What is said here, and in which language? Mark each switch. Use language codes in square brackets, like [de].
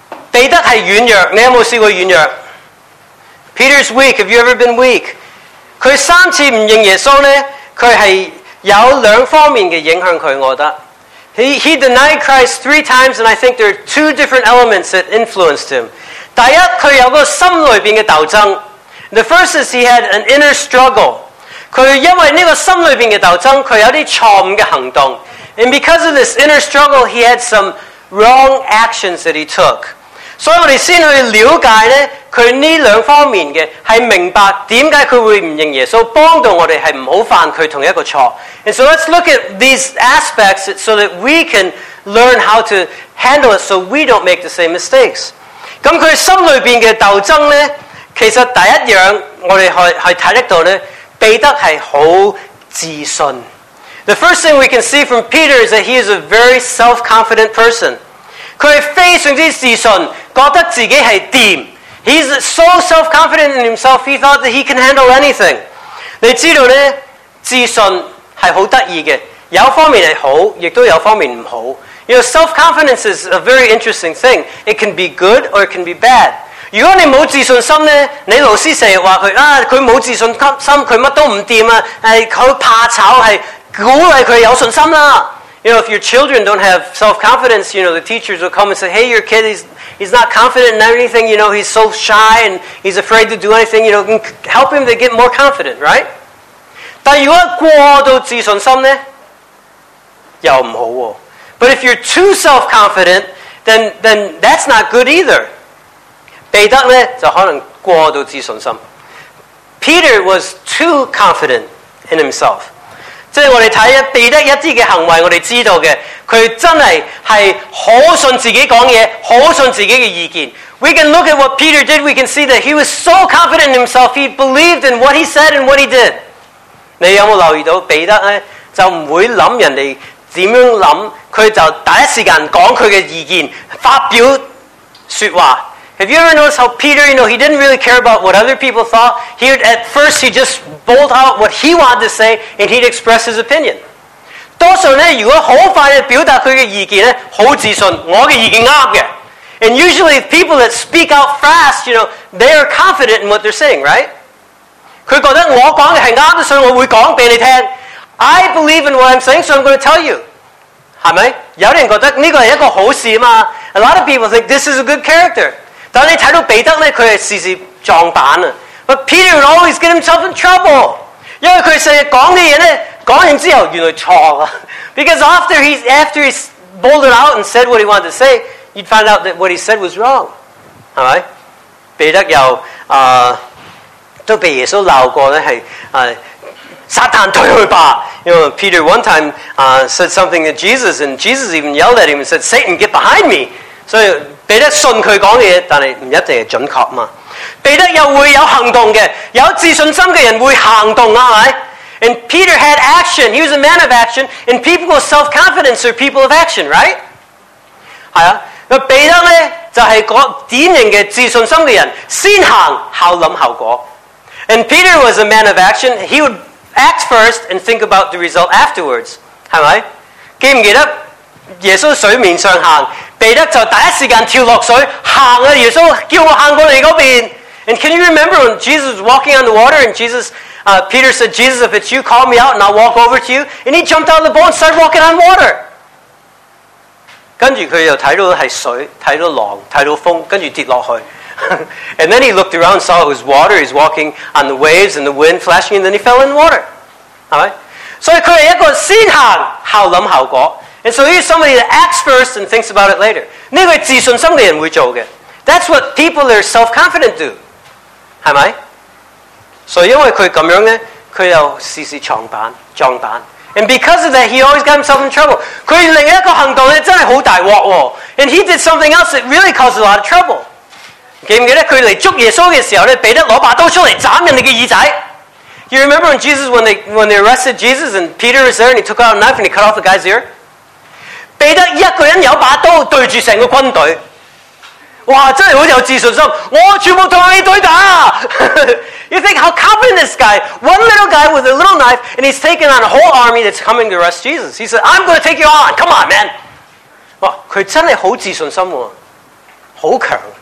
[yue] 彼得是软弱，你有没有试过软弱？ [en] Peter's weak, have you ever been weak? [yue] 他三次不认耶稣呢，他是有两方面的影响他，我觉得。 [en] He denied Christ three times, and I think there are two different elements that influenced him. [yue] 第一，他有个心里面的斗争。 [en] The first is he had an inner struggle. [yue] 他因为这个心里面的斗争，他有一些错误的行动。 [en] And because of this inner struggle, he had some wrong actions that he took. [yue] 所以我们先去了解呢，他这两方面的是明白为什么他会不认耶稣，帮到我们是不要犯他同一个错。 [en] And so let's look at these aspects so that we can learn how to handle it so we don't make the same mistakes. [yue] 那他心里面的斗争呢，其实第一样我们去看得到呢，彼得是很自信。 [en] The first thing we can see from Peter is that he is a very self-confident person. [yue] 他是非常之自信，觉得自己是掂。 [en] He's so self-confident in himself, he thought that he can handle anything. [yue] 你知道呢，自信是很得意的，有方面是好，也都有方面不好。 [en] You know, self-confidence is a very interesting thing. It can be good or it can be bad. [yue] 如果你没有自信心呢，你老师经常说他，他没有自信心，他什么都不掂啊，他怕吵，是鼓励他有信心啦。 [en] You know, if your children don't have self-confidence, you know, the teachers will come and say, hey, your kid, he's not confident in anything, you know, he's so shy and he's afraid to do anything, you know, help him to get more confident, right? [yue] 但如果过度自信心呢，又不好哦。 [en] But if you're too self-confident, then that's not good either. [yue] 彼得呢，就可能过度自信心。 [en] Peter was too confident in himself. [yue] 即系我哋睇彼得一啲嘅行为，我哋知道嘅，佢真系系好信自己讲嘢，好信自己嘅意见。 [en] We can look at what Peter did. We can see that he was so confident in himself. He believed in what he said and what he did. [yue] 你有冇留意到彼得咧？就唔会谂人哋点样谂，佢就第一时间讲佢嘅意见，发表说话。 [en] Have you ever noticed how Peter, you know, he didn't really care about what other people thought? He would, at first, he just bolt out what he wanted to say, and he'd express his opinion. [yue] 多数呢，如果很快地表达他的意见呢，很自信，我的意见对的。 [en] And usually, people that speak out fast, you know, they are confident in what they're saying, right? [yue] 他觉得我讲的是对的，所以我会讲给你听。 [en] I believe in what I'm saying, so I'm going to tell you. [yue] 是不是？有人觉得这个是一个好事嘛。 [en] A lot of people think this is a good character. [yue] 但你睇到彼得咧，佢系时时撞板啊。 [en] But Peter would always get himself in trouble， [yue] 因为佢成日讲嘅嘢咧，讲完之后原来错啊。 [en] Because after he bolted out and said what he wanted to say， you'd find out that what he said was wrong， [yue] 系咪？彼得又都被耶稣闹过咧，系撒旦推去吧。 [en] You know, Peter one time said something to Jesus, and Jesus even yelled at him and said, "Satan, get behind me!" [yue] So, 彼得信佢讲嘅嘢，但系唔一定系准确嘛。彼得又会有行动嘅，有自信心嘅人会行动啊，系。 [en] And Peter had action. He was a man of action. And people with self-confidence are people of action, right? [yue] 系啊，那彼得咧就系个典型嘅自信心嘅人，先行后谂后果。 [en] And Peter was a man of action. He would act first and think about the result afterwards. [yue] 是不是？记不记得耶稣水面上行，彼得就第一时间跳落水行啊！耶稣叫我行过你那边。 [en] And can you remember when Jesus was walking on the water and Peter said, "Jesus, if it's you, call me out and I'll walk over to you." And he jumped out of the boat and started walking on water. [yue] 跟住佢又睇到系水，睇到浪，睇到风，跟住跌落去。 [en] And then he looked around and saw it was water. He's walking on the waves and the wind flashing, and then he fell in the water. So he could have gone [yue] 先行后谂后果。 [en] And so he's somebody that acts first and thinks about it later. [yue] 呢个自信心嘅人会做嘅。 [en] That's what people that are self-confident do. [yue] 系咪？所以因为佢咁样咧，佢又时时撞板。 [en] And because of that, he always got himself in trouble. [yue] 佢另一个行动咧真系好大镬喎。 [en] And he did something else that really caused a lot of trouble. [yue] 记唔记得佢嚟捉耶稣嘅时候咧，彼得攞把刀出嚟斩人哋嘅耳仔。 [en] You remember when Jesus when they arrested Jesus and Peter was there and he took out a knife and he cut off the guy's ear？ [yue] 彼得一个人有把刀对住成个军队，哇！真系好有自信心，我全部同你对打。 [en] You think how confident this guy? One little guy with a little knife and he's taking on a whole army that's coming to arrest Jesus. He said, "I'm going to take you on. Come on, man!" 哇！ [yue] 佢真系好自信心喎，好强。